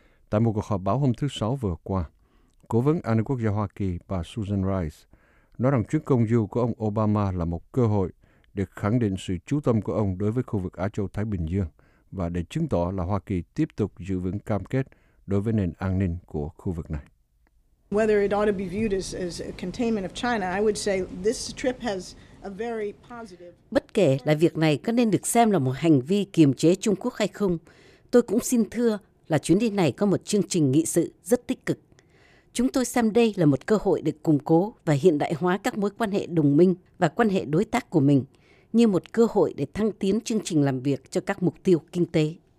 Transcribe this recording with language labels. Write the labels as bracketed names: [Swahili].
[Vietnamese] Tại một cuộc họp báo hôm thứ Sáu vừa qua, Cố vấn An ninh Quốc gia Hoa Kỳ bà Susan Rice nói rằng chuyến công du của ông Obama là một cơ hội để khẳng định sự chú tâm của ông đối với khu vực Á Châu-Thái Bình Dương và để chứng tỏ là Hoa Kỳ tiếp tục giữ vững cam kết đối với nền an ninh của khu vực này. [English] Whether it ought to be viewed as a containment of China, I would say this trip has a very positive. [Vietnamese] Bất kể là việc này có nên được xem là một hành vi kiềm chế Trung Quốc hay không, tôi cũng xin thưa là chuyến đi này có một chương trình nghị sự rất tích cực. Chúng tôi xem đây là một cơ hội để củng cố và hiện đại hóa các mối quan hệ đồng minh và quan hệ đối tác của mình, như một cơ hội để thăng tiến chương trình làm việc cho các mục tiêu kinh tế.